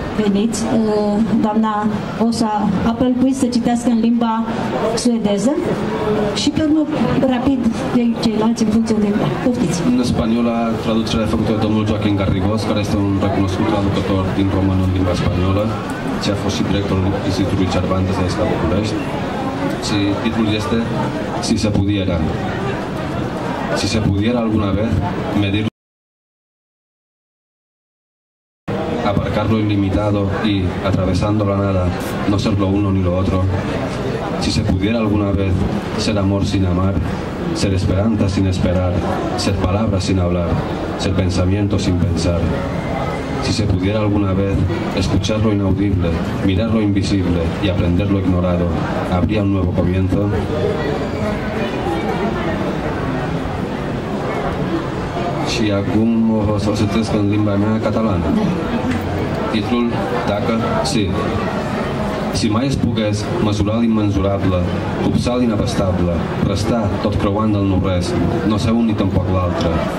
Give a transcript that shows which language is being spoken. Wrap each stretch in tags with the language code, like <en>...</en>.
<ro>Veniți, doamna Osa Applepuis să citească în limba suedeză și pe urmă rapid de ceilalți în funcție de poftiți. În spaniola, traducerea a făcut-o domnul Joaquin Garrigós, care este un recunoscut traducător din română în limba spaniolă, ce a fost și directorul Institutului Cervantes de Aesca București. Și titlul este</ro> <es>Si se pudiera. Si se pudiera alguna vez, medir lo ilimitado y, atravesando la nada, no ser lo uno ni lo otro, si se pudiera alguna vez ser amor sin amar, ser esperanza sin esperar, ser palabra sin hablar, ser pensamiento sin pensar, si se pudiera alguna vez escuchar lo inaudible, mirar lo invisible y aprender lo ignorado, ¿habría un nuevo comienzo?</es> <ro>Și acum o să o citesc în limba mea catalană. Titlul, Dacă,</ro> <ca>sí. Si mai es pogués mesurar l'immensurable, copsar l'inabastable, restar tot creuant del no-res, no ser un ni tampoc l'altre.</ca>